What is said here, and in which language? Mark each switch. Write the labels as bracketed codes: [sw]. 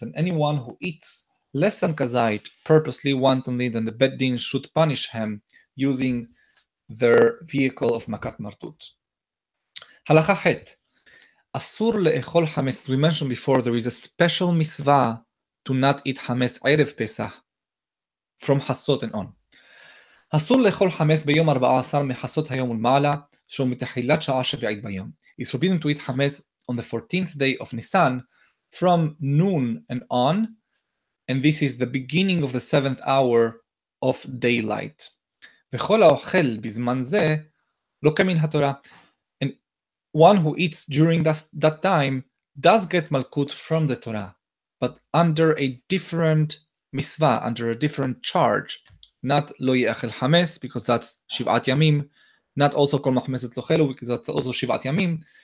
[en] And anyone who eats less than kazait purposely, wantonly, then the bet din should punish him using their vehicle of makat martut. Halacha het. [he] Asur le'echol hametz. [en] We mentioned before there is a special mitzvah to not eat hametz erev pesach from hasot and on. [he] אסור לאכול חמץ ביום 14 מחסות היום ולמעלה, שהוא מתחילת שעה שביעית ביום. [en] is forbidden to eat chametz on the 14th day of Nisan from noon and on, and this is the beginning of the seventh hour of daylight. [he] V'chol ha'ochel bizman ze lo kamin ha'Torah. [en] And one who eats during that time does get malkut from the Torah, but under a different misva, under a different charge, not [he] lo ye'achel chametz, [en] because that's shivat yamim, not also [he] kol machmeset lochelu, [en] because that's also shivat yamim.